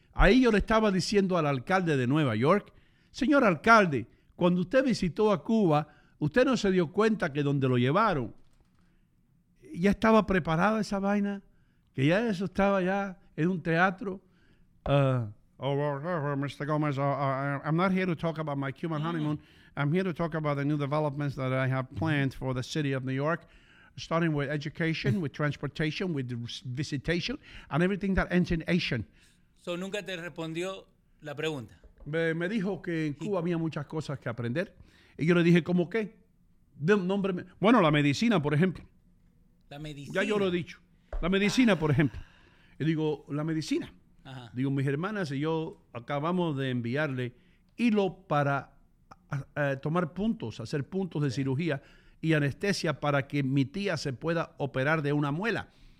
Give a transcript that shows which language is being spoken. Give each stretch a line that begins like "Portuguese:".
Spanish: Ahí yo le estaba diciendo al alcalde de Nueva York, señor alcalde, cuando usted visitó a Cuba, usted no se dio cuenta que donde lo llevaron, ya estaba preparada esa vaina, que ya eso estaba ya en un teatro.
English: Mr. Gomez, I'm not here to talk about my Cuban honeymoon. I'm here to talk about the new developments that I have planned for the city of New York, starting with education, with transportation, with visitation, and everything that ends in Asian.
Spanish: So, nunca te respondió la pregunta. Me dijo que en Cuba había muchas cosas que aprender. Y yo le dije, ¿cómo qué? Nómbreme. Bueno, la medicina, por ejemplo. La medicina. Ya yo lo he dicho. La medicina, por ejemplo. Y digo, la medicina. Ajá. Digo, mis hermanas y yo acabamos de enviarle hilo para tomar puntos, hacer puntos de cirugía y anestesia para que mi tía se pueda operar de una muela.